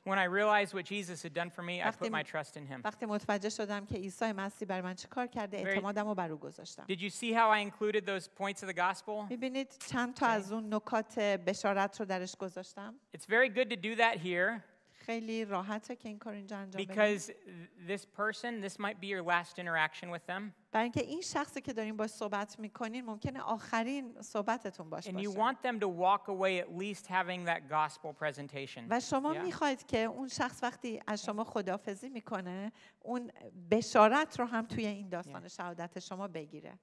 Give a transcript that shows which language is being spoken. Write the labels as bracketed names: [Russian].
[English] When I realized what Jesus had done for me, I put my trust in him. [Persian] وقتی متوجه شدم که عیسی مسیح برای من چیکار کرده اعتمادمو بر او گذاشتم. [English] Did you see how I included those points of the gospel? [Persian] می‌بینید چند تا از اون نکات بشارت رو درش گذاشتم؟ [English] It's very good to do that here. [Persian] خیلی راحته که این کار اینجا انجام بدیم. [English] Because this person, this might be your last interaction with them. [Persian] برای اینکه این شخصی که داریم باهاش صحبت می‌کنین ممکنه آخرین صحبتتون باشه. [English] And you want them to walk away at least having that gospel presentation. [Persian] و شما می‌خواید که اون شخص وقتی از شما خداحافظی می‌کنه اون بشارت رو هم توی این داستان شهادت شما بگیره.